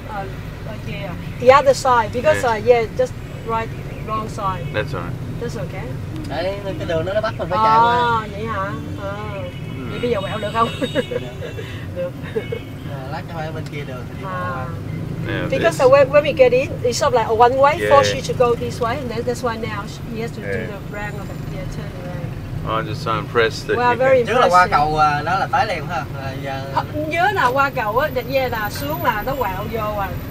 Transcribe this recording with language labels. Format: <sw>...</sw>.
<vi>Ở kia.</vi> <en>The other side. Because just right wrong side. That's all right. That's okay.</en> <vi>Đấy, cái đường nó bắt mình phải chạy qua. Ờ vậy hả? Ờ. Vậy bây giờ quẹo được không? Được. Lát cho hai bên kia đường thì đi qua.</vi> <en>Yeah, because when we get in, it's sort of like a one way, force you to go this way, and that's why now he has to do the round of the turn around. I'm just so impressed that we are very impressed.</en> <vi>Trước là qua cầu nó là tái liền ha. Giờ nhớ là qua cầu á, nhẹ là xuống là nó quẹo vô à.</vi>